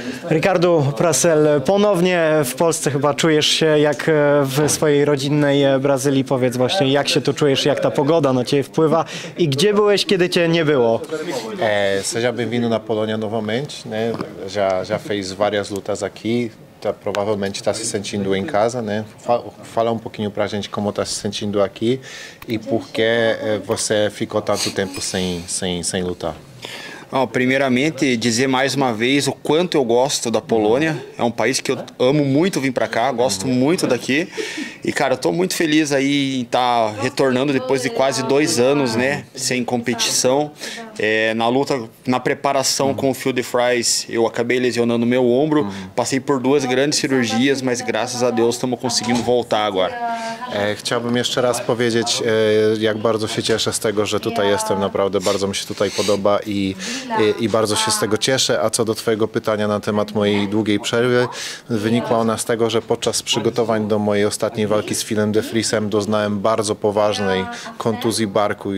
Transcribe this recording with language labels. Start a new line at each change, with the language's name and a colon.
Polish: Ricardo Prassel, ponownie w Polsce chyba czujesz się jak w swojej rodzinnej Brazylii. Powiedz właśnie, jak się tu czujesz, jak ta pogoda na ciebie wpływa i gdzie byłeś, kiedy cię nie było?
Portuguese: Seja bem-vindo na Polônia novamente, né? Já fez várias lutas aqui, tá, provavelmente está se sentindo em casa, né? Fala um pouquinho pra gente como está se sentindo aqui e por que você ficou tanto tempo sem lutar. Bom, primeiramente, dizer mais uma vez o quanto eu gosto da Polônia. É um país que eu amo muito vir para cá, gosto muito daqui. E, cara, eu tô muito feliz aí em estar retornando depois de quase 2 anos, né, sem competição. Na luta, na preparação com o Field Fries, eu acabei lesionando meu ombro. Passei por 2 grandes cirurgias, mas graças a Deus estamos conseguindo voltar agora.
Polish: Chciałbym jeszcze raz powiedzieć, jak bardzo się cieszę z tego, że tutaj jestem. Naprawdę bardzo mi się tutaj podoba i bardzo się z tego cieszę. A co do twojego pytania na temat mojej długiej przerwy, wynikła ona z tego, że podczas przygotowań do mojej ostatniej walki z Philem de Vriesem doznałem bardzo poważnej kontuzji barku.